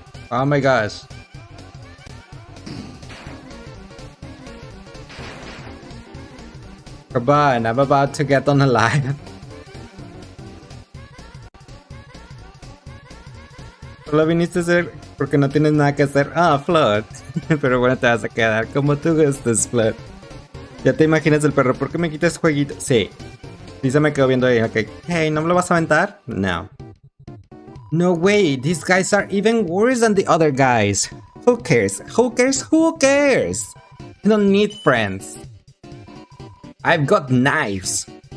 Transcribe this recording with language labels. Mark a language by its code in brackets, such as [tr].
[en] Oh my gosh. Come on, I'm about to get on the line. [es] Solo viniste a hacer porque no tienes nada que hacer. Ah, Flood. Pero bueno, te vas a quedar como tú gustes, Flood. Ya te imaginas el perro, ¿por qué me quitas jueguito? Sí. Lisa me quedó viendo ahí, ok. Hey, ¿no me lo vas a aventar? No. [en] No way, these guys are even worse than the other guys. Who cares? Who cares? Who cares? I don't need friends. I've got knives.